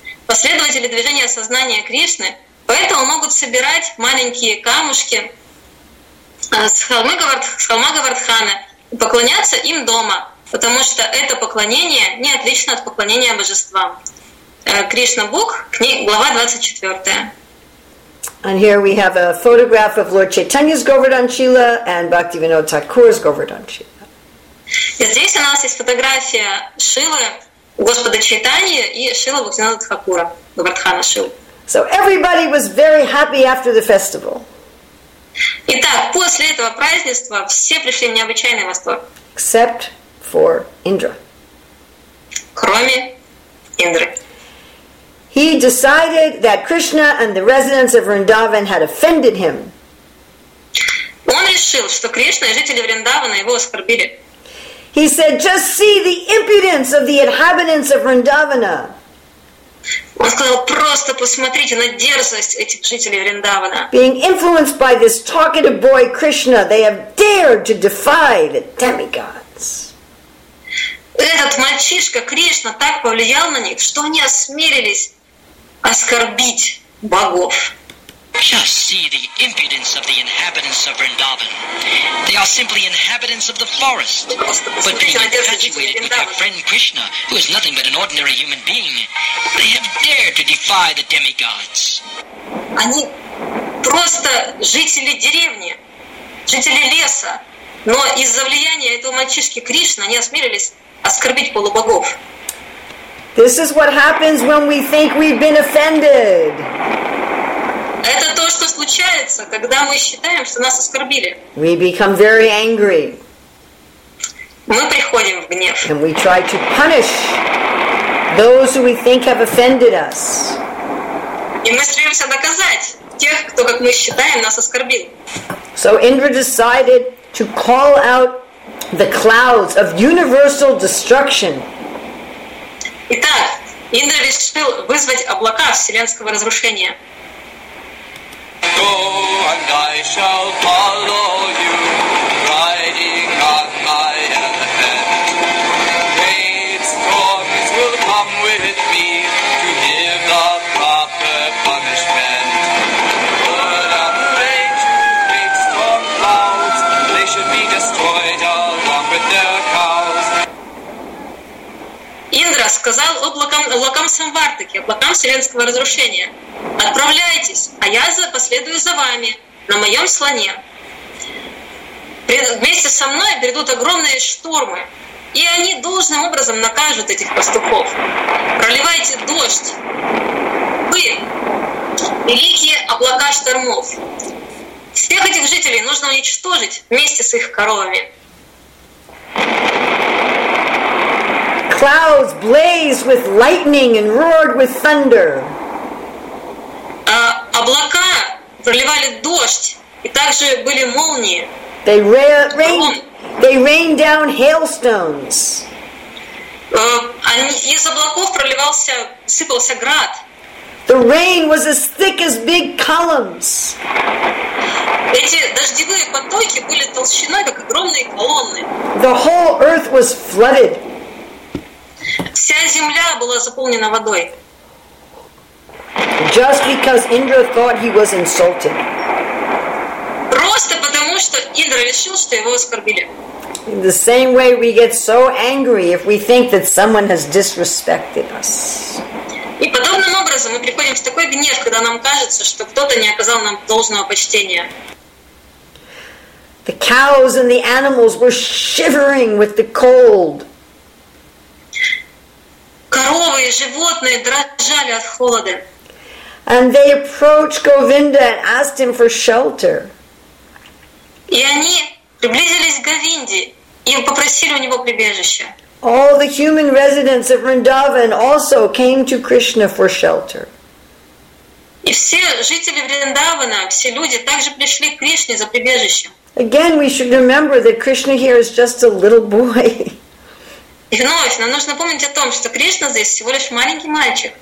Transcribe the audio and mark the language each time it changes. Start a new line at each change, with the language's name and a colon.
Russian: Последователи движения сознания Кришны поэтому могут собирать маленькие камушки с холма Говардхана и поклоняться им дома, потому что это поклонение не отлично от поклонения божествам. Кришна Бук, глава 24.
English: And here we have a photograph of Lord Chaitanya's Govardhan Shila and Bhaktivinoda Thakur's Govardhan Shila.
Russian: Здесь у нас есть фотография Шилы, Господа Чайтаньи и Шилы Бхактивинода Тхакура, Говардхана Шилы.
English: So everybody was very happy after the festival.
Russian: Итак, после этого празднества все пришли в необычайный восторг.
English: Except for Indra.
Russian: Кроме Индры.
English: He decided that Krishna and the residents of Vrindavan had offended him.
Russian: Он решил, что Кришна и жители Вриндавана его оскорбили.
English: He said, "Just see the impudence of the inhabitants of Vrindavana."
Russian: Он сказал, просто посмотрите на дерзость этих жителей Вриндавана.
English: Being influenced by this talkative boy Krishna, they have dared to defy the demigods.
Russian: Этот мальчишка Кришна так повлиял на них, что они осмелились оскорбить богов.
English: Just see the impudence of the inhabitants of Vrindavan. They are simply inhabitants of the forest. But being infatuated with their friend Krishna, who is nothing but an ordinary human being, they have dared to defy the demigods.
Russian: Они просто жители деревни, жители леса, но из-за влияния этого мальчишки Кришна они осмелились оскорбить полубогов.
English: This is what happens when we think we've been offended.
Russian: Это то, что случается, когда мы считаем, что нас оскорбили.
English: We become very angry.
Russian: Мы приходим в гнев.
English: And we try to punish those who we think have offended us.
Russian: И мы стремимся наказать тех, кто, как мы считаем, нас оскорбил.
English: So Indra decided to call out the clouds of universal destruction.
Russian: Итак, Индра решил вызвать облака вселенского разрушения.
English: Go and I shall follow you, riding on my elephant. Great storms will come with me to give the proper punishment. But I'm afraid to great storm clouds, they should be destroyed along with their cows.
Russian: Индра сказал облакам Самвартаки, облакам вселенского разрушения. Отправляйтесь, а я последую за вами на моем слоне. Вместе со мной придут огромные штормы, и они должным образом накажут этих пастухов. Проливайте дождь. Вы, великие облака штормов. Всех этих жителей нужно уничтожить вместе с их коровами.
English: Clouds blazed with lightning and roared with thunder.
Russian: Облака проливали дождь, и также были молнии.
English: They rained down hailstones.
Russian: Из облаков сыпался град.
English: The rain was as thick as big columns.
Russian: Эти дождевые потоки были толщиной, как огромные колонны.
English: The whole earth was flooded.
Russian: Вся земля была заполнена водой.
English: Just because Indra thought he was insulted.
Russian: Просто потому, что Индра решил, что его оскорбили.
English: In the same way we get so angry if we think that someone has disrespected us.
Russian: И подобным образом мы приходим в такой гнев, когда нам кажется, что кто-то не оказал нам должного почтения.
English: The cows and the animals were shivering with the cold.
Russian: Коровы и животные дрожали от холода.
English: And they approached Govinda and asked him for shelter.
Russian: И они приблизились к Говинде и попросили у него прибежища.
English: All the human residents of Vrindavan also came to Krishna for shelter.
Russian: И все жители Вриндавана, все люди также пришли к Кришне за прибежищем.
English: Again, we should remember that Krishna here is just a little boy.
Russian: И вновь нам нужно помнить о том, что Кришна здесь всего лишь маленький мальчик.